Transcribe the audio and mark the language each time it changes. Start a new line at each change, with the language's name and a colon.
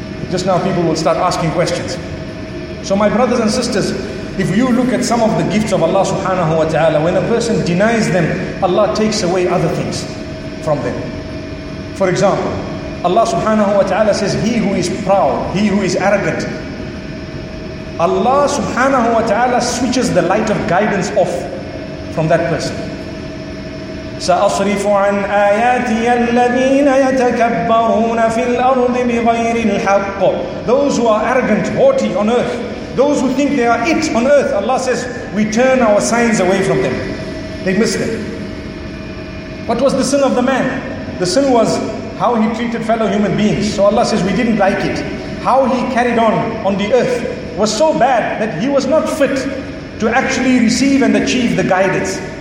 English: Just now people will start asking questions. So my brothers and sisters, if you look at some of the gifts of Allah subhanahu wa ta'ala, when a person denies them, Allah takes away other things from them. For example, Allah subhanahu wa ta'ala says, he who is proud, he who is arrogant, Allah subhanahu wa ta'ala switches the light of guidance off from that person.
Arabic: سأصرف عن آياتي الذين يتكبرون في الأرض بغير الحق.
English: Those who are arrogant, haughty on earth, those who think they are it on earth, Allah says, we turn our signs away from them. They miss them. What was the sin of the man? The sin was how he treated fellow human beings. So Allah says, we didn't like it. How he carried on the earth was so bad that he was not fit to actually receive and achieve the guidance.